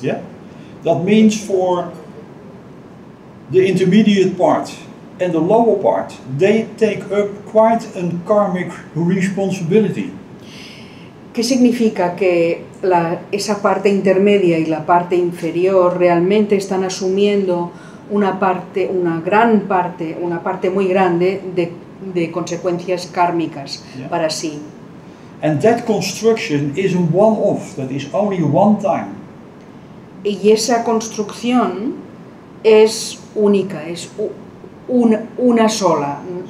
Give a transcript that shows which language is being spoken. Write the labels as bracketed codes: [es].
[en] Yeah, that means for the intermediate part and the lower part, they take up quite a karmic responsibility. [es] ¿Qué significa que esa parte intermedia y la parte inferior realmente están asumiendo una parte muy grande de consecuencias kármicas para sí? [en] And that construction is a one-off, that is only one time. [es] Y esa construcción es única, es una sola.